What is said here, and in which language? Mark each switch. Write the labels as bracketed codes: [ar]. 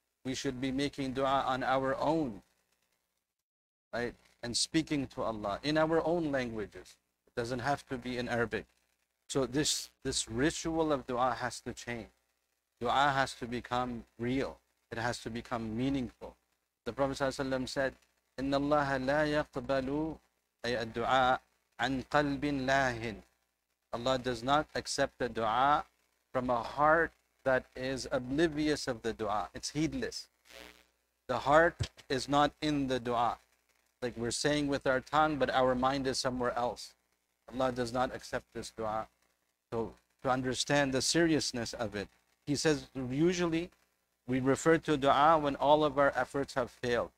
[en] We should be making dua on our own, right? And speaking to Allah in our own languages. It doesn't have to be in Arabic. So this ritual of dua has to change. Dua has to become real. It has to become meaningful. The Prophet ﷺ said, [ar] إِنَّ اللَّهَ لَا يَقْبَلُ أَيَ الدُّعَاءَ عَنْ قَلْبٍ لَاهِنْ. [en] Allah does not accept the dua from a heart that is oblivious of the dua. It's heedless. The heart is not in the dua. Like we're saying with our tongue, but our mind is somewhere else. Allah does not accept this dua. So to understand the seriousness of it, he says, usually we refer to dua when all of our efforts have failed.